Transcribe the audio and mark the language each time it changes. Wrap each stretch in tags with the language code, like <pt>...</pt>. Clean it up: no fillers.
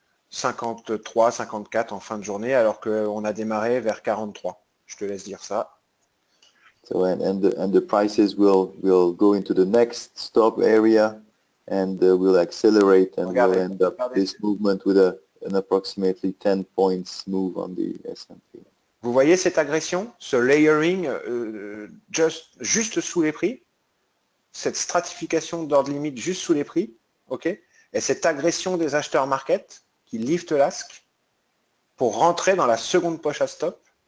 <fr>53, 54 en fin de journée, alors qu'on a démarré vers 43. Je te laisse dire ça.</fr> <en>So and the prices will go into the next stop area and will accelerate and</en> <fr>Regardez,</fr> <en>will end up</en> <fr>regardez.</fr> <en>this movement with an approximately 10 points move on the S&P.</en> <fr>Vous voyez cette agression, ce layering juste sous les prix, cette stratification d'ordre limite juste sous les prix, ok, et cette agression des acheteurs market qui lift l'ask pour rentrer dans la seconde poche à stop.</fr>